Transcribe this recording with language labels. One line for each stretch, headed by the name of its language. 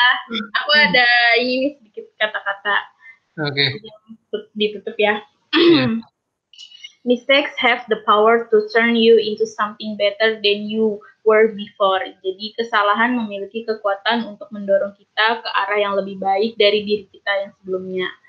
Indonesian: Aku ada ini sedikit kata-kata Oke. ditutup ya. Yeah.
English: Mistakes have the power to turn you into something better than you were before.
Indonesian: Jadi kesalahan memiliki kekuatan untuk mendorong kita ke arah yang lebih baik dari diri kita yang sebelumnya.